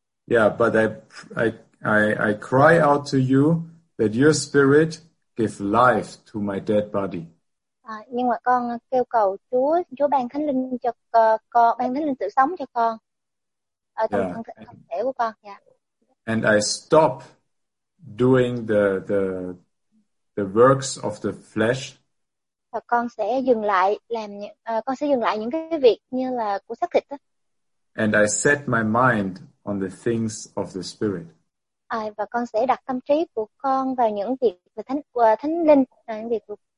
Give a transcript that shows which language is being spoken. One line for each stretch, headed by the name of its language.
English: Yeah, but I cry out to you that your spirit give life to my dead body.
Vietnamese: Nhưng mà con kêu cầu Chúa, Chúa ban Thánh Linh cho con, ban Thánh Linh tự sống cho con ở trong thân thể của con.
English: And I stop doing the works of the flesh.
Vietnamese: Và con sẽ dừng lại làm con sẽ dừng lại những cái việc như là của xác thịt đó.
English: And I set my mind on the things of the spirit.
Vietnamese: Và con sẽ đặt tâm trí của con vào những việc về thánh linh, những việc của...